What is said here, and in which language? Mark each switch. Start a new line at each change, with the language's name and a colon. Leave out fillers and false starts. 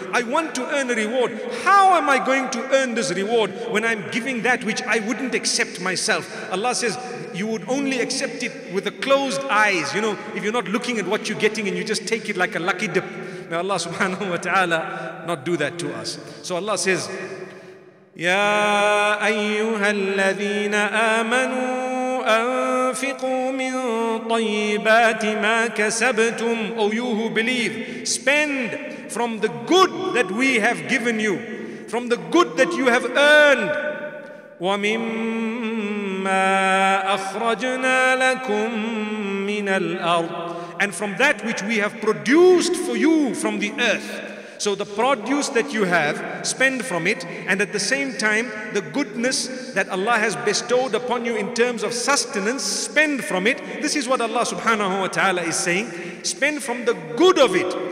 English: I want to earn a reward. How am I going to earn this reward when I'm giving that which I wouldn't accept myself? Allah says, you would only accept it with a closed eyes. You know, if you're not looking at what you're getting and you just take it like a lucky dip. May Allah subhanahu wa ta'ala not do that to us. So Allah says,
Arabic: Ya ayyuhal ladhina amanu أنفقوا من طيبات ما كسبتم.
English: O you who believe, spend from the good that we have given you, from the good that you have earned.
Arabic: ومما أخرجنا لكم من الأرض,
English: and from that which we have produced for you from the earth. So the produce that you have, spend from it, and at the same time, the goodness that Allah has bestowed upon you in terms of sustenance, spend from it. This is what Allah subhanahu wa ta'ala is saying. Spend from the good of it.